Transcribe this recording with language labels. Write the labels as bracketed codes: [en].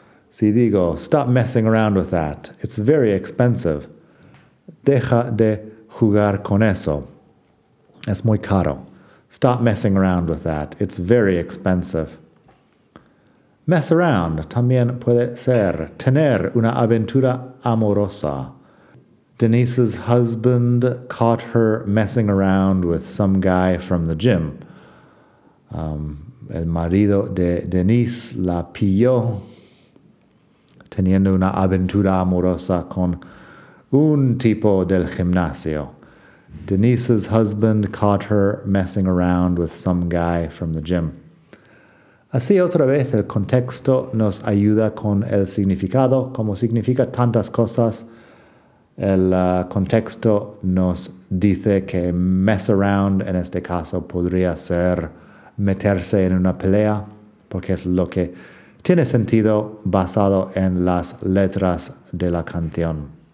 [es] Si digo, [en] stop messing around with that. It's very expensive. [es] Deja de jugar con eso. Es muy caro. [en] Stop messing around with that. It's very expensive. [es] Mess around también puede ser tener una aventura amorosa. [en] Denise's husband caught her messing around with some guy from the gym. [es] El marido de Denise la pilló teniendo una aventura amorosa con un tipo del gimnasio. [en] Denise's husband caught her messing around with some guy from the gym. [es] Así otra vez el contexto nos ayuda con el significado. Como significa tantas cosas, el contexto nos dice que mess around en este caso podría ser meterse en una pelea, porque es lo que tiene sentido basado en las letras de la canción.